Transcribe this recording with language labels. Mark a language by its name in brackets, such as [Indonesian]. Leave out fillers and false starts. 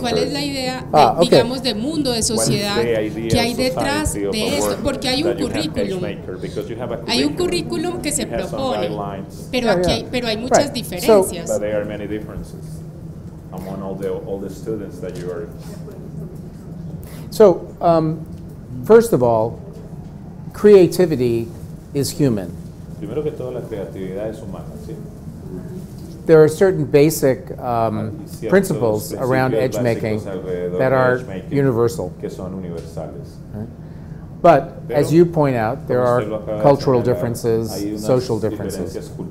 [Spanish] ¿Cuál es la idea, digamos, de mundo, de sociedad, que hay detrás de esto? Porque hay un currículum. Hay un currículum que se propone, pero aquí hay, pero hay muchas diferencias. [English] But there are many differences among all the students that you are. So, first of all, creativity is human. [Spanish] Primero que todo, la creatividad es humana, ¿sí? [English] There are certain basic principles around edge making that are universal. [Spanish] Que son universales. [English] But as you point out, there are cultural differences, social differences.